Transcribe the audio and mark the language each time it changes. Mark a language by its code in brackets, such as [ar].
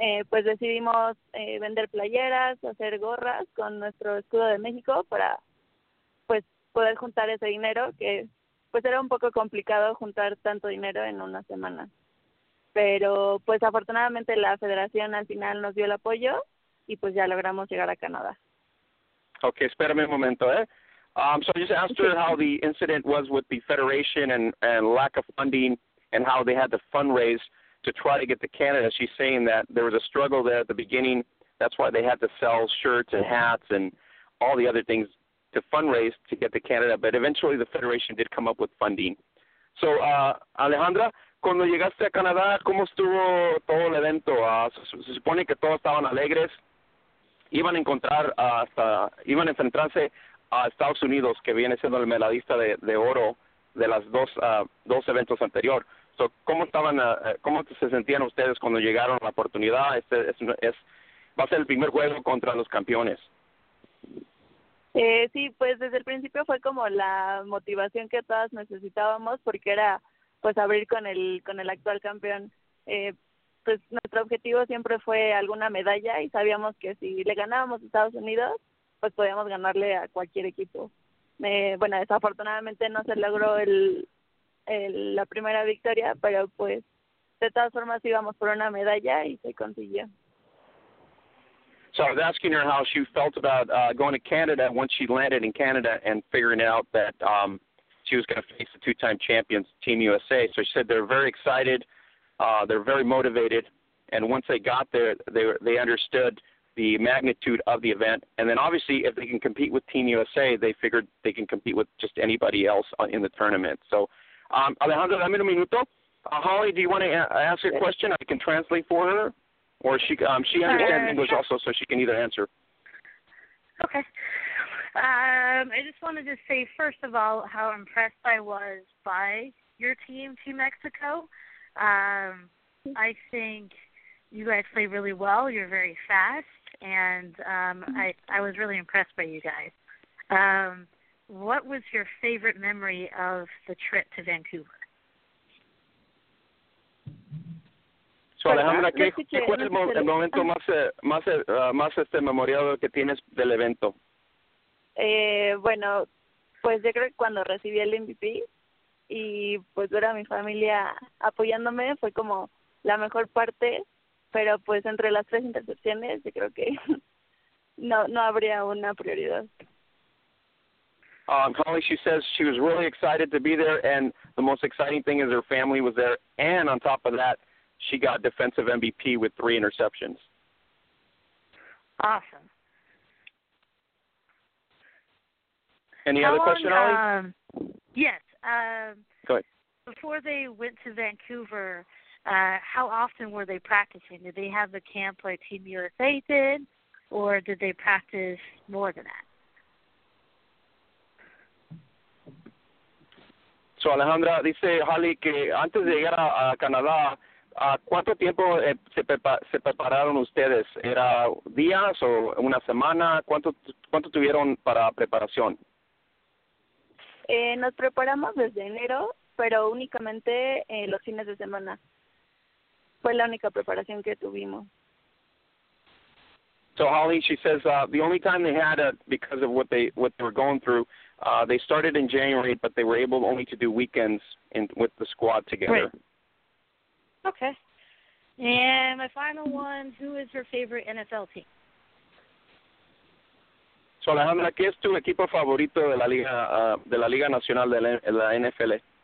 [es] Pues decidimos vender playeras, hacer gorras con nuestro escudo de México para, pues, poder juntar ese dinero, que, pues, era un poco complicado juntar tanto dinero en una semana. Pero, pues, afortunadamente la federación al final nos dio el apoyo y, pues, ya logramos llegar a Canadá. Okay, espérame un momento, ¿eh? [en] So I just asked her how the incident was with the federation and lack of funding and how they had to fundraise to try to get to Canada. She's saying that there was a struggle there at the beginning. That's why they had to sell shirts and hats and all the other things to fundraise to get to Canada. But eventually the federation did come up with funding. [es] So, Alejandra, cuando llegaste a Canadá, ¿cómo estuvo todo el evento? Se supone que todos estaban alegres. Iban a enfrentarse a Estados Unidos, que viene siendo el medallista de oro de las dos eventos anterior. So, ¿cómo se sentían ustedes cuando llegaron a la oportunidad? Va a ser el primer juego contra los campeones. Sí, pues desde el principio fue como la motivación que todas necesitábamos, porque era pues abrir con el actual campeón. pues nuestro objetivo siempre fue alguna medalla y sabíamos que si le ganábamos a Estados Unidos, pues podíamos ganarle a cualquier equipo. Bueno, desafortunadamente no se logró la primera victoria, pero pues de todas formas íbamos por una medalla y se consiguió. [en] So I was asking her how she felt about going to Canada once she landed in Canada and figuring out that she was going to face the two-time champions, Team USA. So she said they're very excited, they're very motivated, and once they got there, they understood the magnitude of the event. And then obviously if they can compete with Team USA, they figured they can compete with just anybody else in the tournament. So Alejandro, [es] dame un minuto. [en] Holly, do you want to ask a question? I can translate for her. Or she understands English also, so she can either answer. Okay. I just wanted to say, first of all, how impressed I was by your team, Team Mexico. I think you guys play really well. You're very fast, and I was really impressed by you guys. What was your favorite memory of the trip to Vancouver? [es] So, Alejandra, ¿cuál es el momento más memorable que tienes del evento? Bueno, pues yo creo que cuando recibí el MVP y pues ver a mi familia apoyándome fue como la mejor parte, pero pues entre las tres intercepciones yo creo que no habría una prioridad. [en] Holly, she says she was really excited to be there and the most exciting thing is her family was there and on top of that, she got defensive MVP with three interceptions. Awesome. Any other question, Holly? Yes. Go ahead. Before they went to Vancouver, how often were they practicing? Did they have the camp like Team USA did, or did they practice more than that? [es] So Alejandra, dice Holly que antes de llegar a Canadá, ¿cuánto tiempo se prepararon ustedes? ¿Era días o una semana? ¿Cuánto tuvieron para preparación? Nos preparamos desde enero, pero únicamente los fines de semana. Fue la única preparación que tuvimos. [en] So Holly, she says the only time they had it because of what they were going through, they started in January, but they were able only to do weekends with the squad together. Right. Okay. And my final one, who is your favorite NFL team? [es] So Alejandra, ¿qué es tu equipo favorito de la Liga Nacional de la NFL?